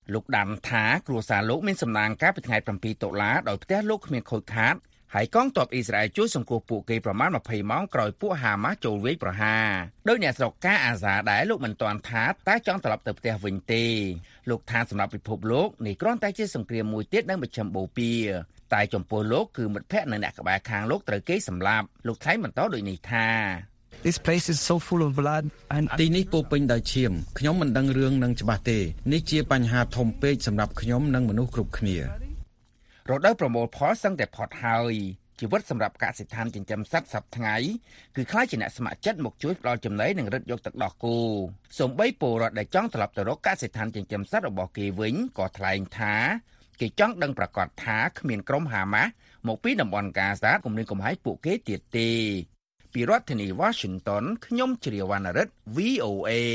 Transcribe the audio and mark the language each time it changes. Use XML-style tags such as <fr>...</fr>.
<km>លោកដាំថាគ្រួសារលោកមានសំណាងការពីថ្ងៃ7តុល្លារដោយផ្ទះលោកគ្មានខូចខាតហើយកងទ័ពអ៊ីស្រាអែលជួយសង្គ្រោះពួកគេប្រមាណ20ម៉ោងក្រោយពួកហាម៉ាស់ចូលវាយប្រហារដោយអ្នកស្រុកកាអាសាដែរលោកមិនទាន់ថាតើចង់ត្រឡប់ទៅផ្ទះវិញទេលោកថាសម្រាប់ពិភពលោកនេះគ្រាន់តែជាសង្គ្រាមមួយទៀតនៅមជ្ឈមបូព៌ាតែចំពោះលោកគឺមិត្តភ័ក្តិនិងអ្នកក្បែរខាងលោកត្រូវគេសម្លាប់លោកថៃបន្តដូចនេះថា</km> <en>This place is so full of blood and</en> <km>ទីនេះពោពេញដោយឈាមខ្ញុំមិនដឹងរឿងនឹងច្បាស់ទេនេះជាបញ្ហាធំពេកសម្រាប់ខ្ញុំនិងមនុស្សគ្រប់គ្នារ ដូវប្រមូលផលសឹងតែផុតហើយជីវិតសម្រាប់កសិដ្ឋានចិញ្ចឹមសត្វសប្តាហ៍ថ្ងៃគឺខ្ល้ายជាអ្នកស្ម័គ្រចិត្តមកជួយផ្តល់ចំណីនិងរឹតយកទឹកដោះគោសម្បីពលរដ្ឋដែលចង់ត្រឡប់ទៅរកកសិដ្ឋានចិញ្ចឹមសត្វរបស់គេវិញក៏ថ្លែងថាគេចង់ដឹងប្រកាសថាគ្មានក្រុមហាម៉ាស់មកពីតំបន់កាសាគំរាមកំហែងពួកគេទៀតទេពីរដ្ឋធានី Washington ខ្ញុំជ្រាវណ្ណរិទ្ធ VOA</km>